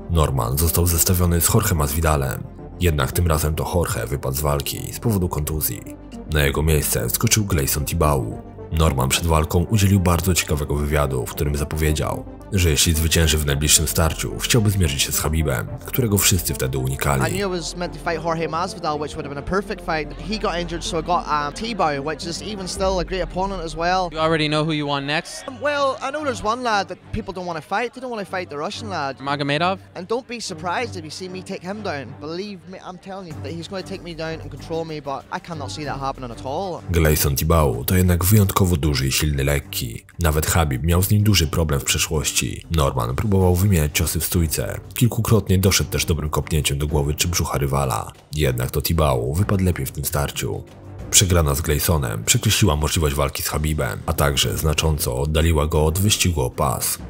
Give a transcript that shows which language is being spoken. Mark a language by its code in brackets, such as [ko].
[pl] Norman został zestawiony z Jorge Masvidalem. Jednak tym razem to Jorge wypadł z walki z powodu kontuzji. Na jego miejsce wskoczył Gleison Tibau. Norman przed walką udzielił bardzo ciekawego wywiadu, w którym zapowiedział, że jeśli zwycięży w najbliższym starciu, chciałby zmierzyć się z Habibem, którego wszyscy wtedy unikali. [en] I knew it was meant to fight Jorge Masvidal, which would have been a perfect fight. He got injured, so I got Tibau, which is even still a great opponent as well. You already know who you want next? Well, I know there's one lad that people don't want to fight. They don't want to fight the Russian lad. Magomedov? And don't be surprised if you see me take him down. Believe me, I'm telling you that he's going to take me down and control me, but I cannot see that happening at all. [pl] Gleison Tibau to jednak wyjątkowo duży i silny lekki. Nawet Habib miał z nim duży problem w przeszłości. kości. Norman próbował wymieniać ciosy w stójce. Kilkukrotnie doszedł też dobrym kopnięciem do głowy czy brzucha rywala. Jednak to Tibau wypadł lepiej w tym starciu. Przegrana z Gleisonem przekreśliła możliwość walki z Habibem, a także znacząco oddaliła go od wyścigu o pas.